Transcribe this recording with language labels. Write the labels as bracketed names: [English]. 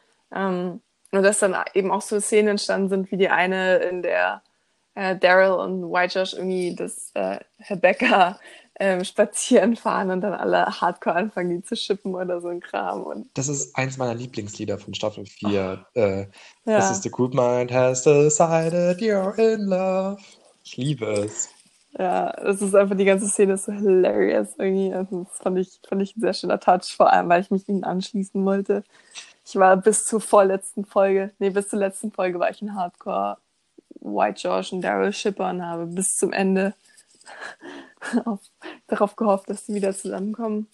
[German] Und dass dann eben auch so Szenen entstanden sind, wie die eine, in der Daryl und White Josh irgendwie das Rebecca spazieren fahren und dann alle hardcore anfangen, die zu shippen oder so ein Kram. Und Das ist eins meiner Lieblingslieder von Staffel 4. [English] This is [German] ja. [English] the group mind has decided you're in love. [German] Ich liebe es. Ja, das ist einfach, die ganze Szene ist so hilarious irgendwie. Also das fand ich ein sehr schöner Touch, vor allem, weil ich mich ihnen anschließen wollte. Ich war bis zur vorletzten Folge, nee, bis zur letzten Folge war ich ein Hardcore White George und Daryl Shipper und habe bis zum Ende darauf gehofft, dass sie wieder zusammenkommen.